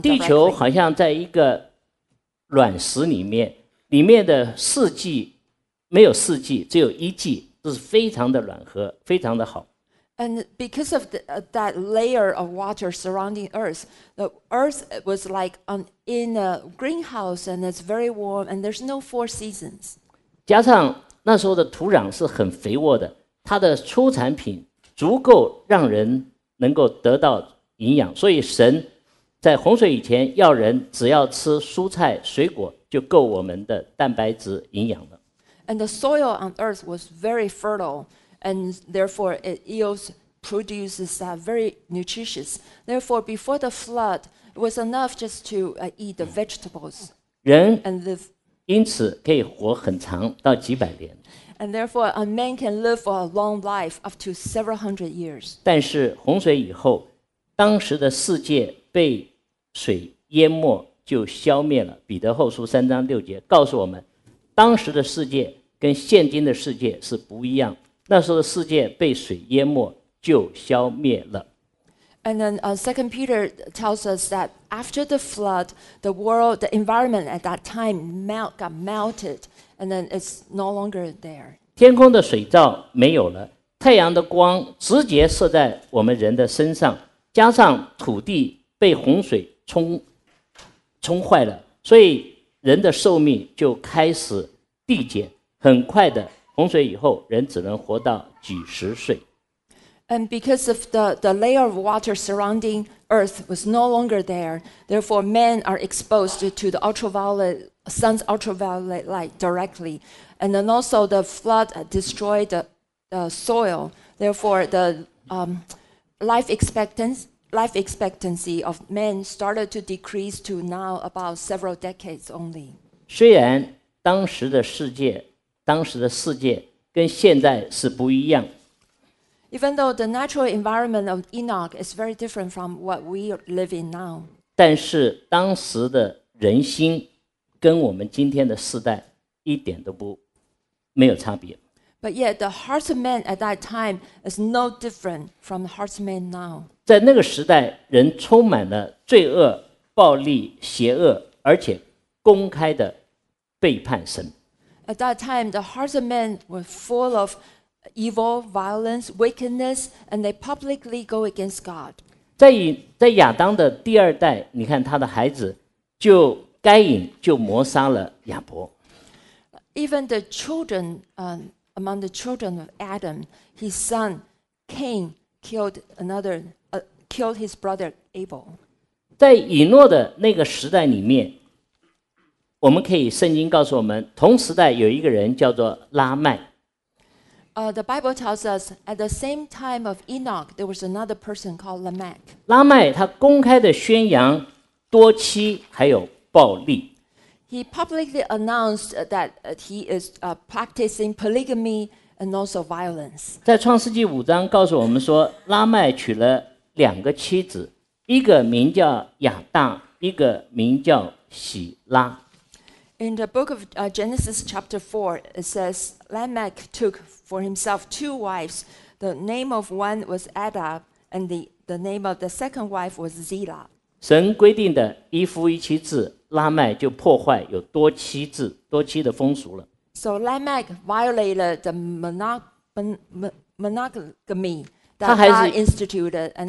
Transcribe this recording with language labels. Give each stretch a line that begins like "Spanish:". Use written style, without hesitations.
Chinese: 地球好像在一个卵石里面，里面的四季没有四季，只有一季，这是非常的暖和，非常的好。
English: And because of the, that layer of water surrounding Earth, the Earth was like in a greenhouse, and it's very warm, and there's no four seasons.
Chinese: 加上那时候的土壤是很肥沃的，它的出产品足够让人能够得到营养，所以神在洪水以前要人只要吃蔬菜水果就够我们的蛋白质营养了。
English: And the soil on Earth was very fertile. And therefore, it yields produces very nutritious. Therefore, before the flood, it was enough just to eat the vegetables. 人 and live.
Chinese: 因此可以活很长，到几百年。
English: And therefore, a man can live for a long life, up to several hundred years.
Chinese: 但是洪水以后，当时的世界被水淹没，就消灭了。彼得后书三章六节告诉我们，当时的世界跟现今的世界是不一样。那时候的世界被水淹没，就消灭了。
English: And then Second Peter tells us that after the flood, the world, the environment at that time got melted, and then it's no longer there.
Chinese: 天空的水罩没有了，太阳的光直接射在我们人的身上，加上土地被洪水冲坏了，所以人的寿命就开始递减，很快的。洪水以后，人只能活到几十岁。
English: And because of the layer of water surrounding Earth was no longer there, therefore men are exposed to the ultraviolet sun's ultraviolet light directly, and then also the flood destroyed the soil. Therefore, the life expectancy of men started to decrease to now about several decades only.
Chinese: 虽然当时的世界。当时的世界跟现在是不一样。
English: Even though the natural environment of Enoch is very different from what we live in now,
Chinese: 但是当时的人心跟我们今天的世代一点都不没有差别。
English: But yet the hearts of men at that time is no different from the hearts of men now.
Chinese: 在那个时代，人充满了罪恶、暴力、邪恶，而且公开的背叛神。
English: At that time, the hearts of men were full of evil, violence, wickedness, and they publicly go against God.
Chinese: 在亚当的第二代，你看他的孩子，就该隐就谋杀了亚伯。
English: Even the children, among the children of Adam, his son Cain killed his brother Abel.
Chinese: 在以诺的那个时代里面。我们可以圣经告诉我们同时代有一个人叫做拉麦。
English: The Bible tells us at the same time of Enoch, there was another person called Lamech.
Chinese: 拉麦他公开的宣扬多妻还有暴力。
English: He publicly announced that he is practicing polygamy and also violence.
Chinese: 在创世纪五章告诉我们说拉麦娶了两个妻子，一个名叫亚大，一个名叫喜拉。
English: In the book of Genesis chapter 4, it says, Lamech took for himself two wives. The name of one was Adah, and the name of the second wife was Zillah.
Chinese: 神规定的一夫一妻制，拉麦就破坏有多妻制，多妻的风俗了。
English: So Lamech violated the monogamy that God instituted, and he took two wives.